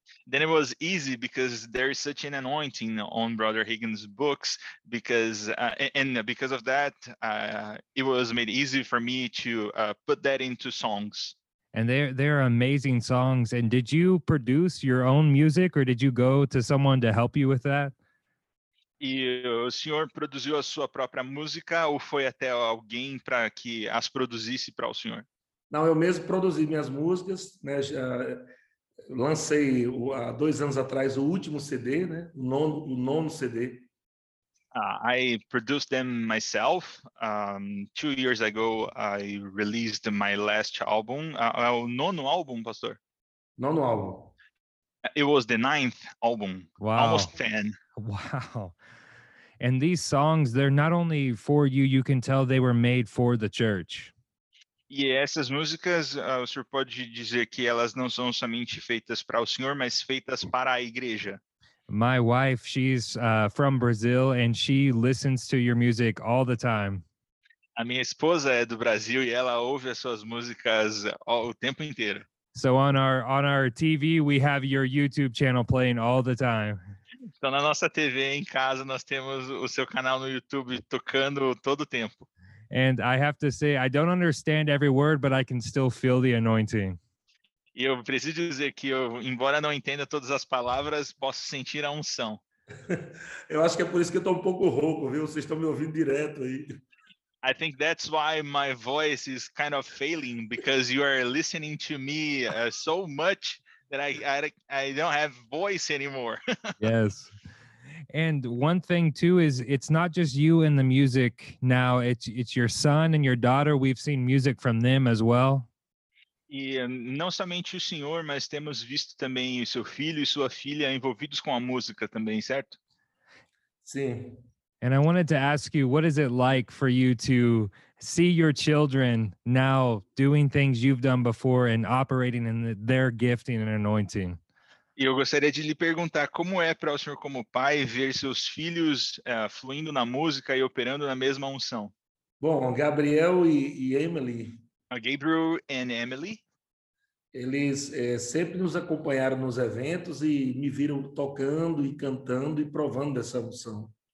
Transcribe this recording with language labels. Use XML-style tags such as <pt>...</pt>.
<en>Then it was easy because there is such an anointing on Brother Higgins' books because because of that, it was made easy for me to put that into songs. And they're amazing songs. And did you produce your own music or did you go to someone to help you with that?</en> <pt>E o senhor produziu a sua própria música ou foi até alguém para que as produzisse para o senhor? Não, eu mesmo produzi minhas músicas, né? Lancei há 2 anos atrás o último CD, né? O nono CD.</pt> <en>I produced them myself. 2 years ago, I released my last album.</en> <pt>O nono álbum, pastor? Nono álbum.</pt> <en>It was the 9th album. Wow. Almost 10. Wow. And these songs, they're not only for you, you can tell they were made for the church.</en> <pt>E essas músicas, o senhor pode dizer que elas não são somente feitas para o senhor, mas feitas para a igreja.</pt> <en>My wife, she's from Brazil and she listens to your music all the time.</en> <pt>A minha esposa é do Brasil e ela ouve as suas músicas o tempo inteiro.</pt> <en>So on our TV, we have your YouTube channel playing all the time.</en> <pt>Então na nossa TV em casa, nós temos o seu canal no YouTube tocando todo o tempo.</pt> <en>And I have to say, I don't understand every word, but I can still feel the anointing.</en> <pt>E eu preciso dizer que eu, embora não entenda todas as palavras, posso sentir a unção. Eu acho que é por isso que eu tô um pouco rouco, viu? Vocês estão me ouvindo direto aí.</pt> <en>I think that's why my voice is kind of failing, because you are listening to me so much that I don't have voice anymore. Yes. And one thing too is it's not just you and the music now, it's your son and your daughter. We've seen music from them as well.</en> <pt>E não somente o senhor, mas temos visto também o seu filho e sua filha envolvidos com a música também, certo? Sim.</pt> <en>And I wanted to ask you, what is it like for you to see your children now doing things you've done before and operating in their gifting and anointing?</en> <pt>E eu gostaria de lhe perguntar como é para o senhor como pai ver seus filhos fluindo na música e operando na mesma unção? Bom, Gabriel e Emily.</pt> <en>Gabriel and Emily.</en> <pt>Eles sempre nos acompanharam nos eventos e me viram tocando e cantando e provando dessa unção.</pt>